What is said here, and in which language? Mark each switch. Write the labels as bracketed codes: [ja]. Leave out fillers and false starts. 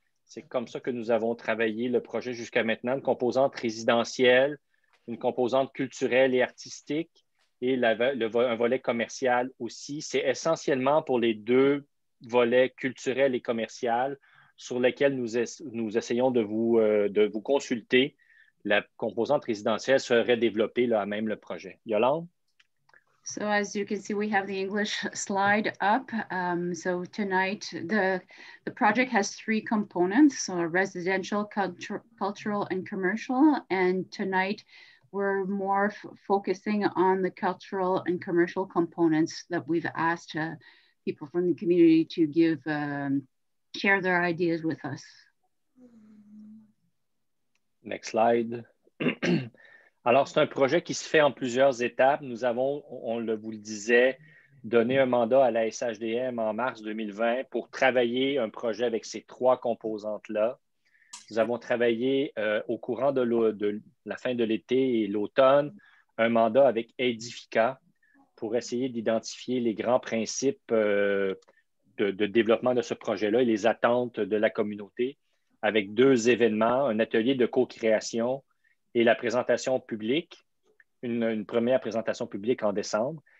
[fr] C'est comme ça que nous avons travaillé le projet jusqu'à maintenant, une composante résidentielle, une composante culturelle et artistique et un volet commercial aussi. C'est essentiellement pour les deux volets culturels et commerciaux sur lesquels nous essayons de vous consulter. La composante résidentielle serait développée là, à même le projet. Yolande? [en] So as you can see, we have the English slide up. So tonight, the project has three components, so residential, cultural, and commercial. And tonight, we're more focusing on the cultural and commercial components that we've asked people from the community to give, share their ideas with us. Next slide. [fr] Alors, c'est un projet qui se fait en plusieurs étapes. Nous avons, on vous le disait, donné un mandat à la SHDM en mars 2020 pour travailler un projet avec ces trois composantes-là. Nous avons travaillé au courant de la fin de l'été et l'automne un mandat avec Edifica pour essayer d'identifier les grands principes de développement de ce projet-là et les attentes de la communauté avec deux événements, un atelier de co-création et la présentation publique, une première présentation publique en décembre.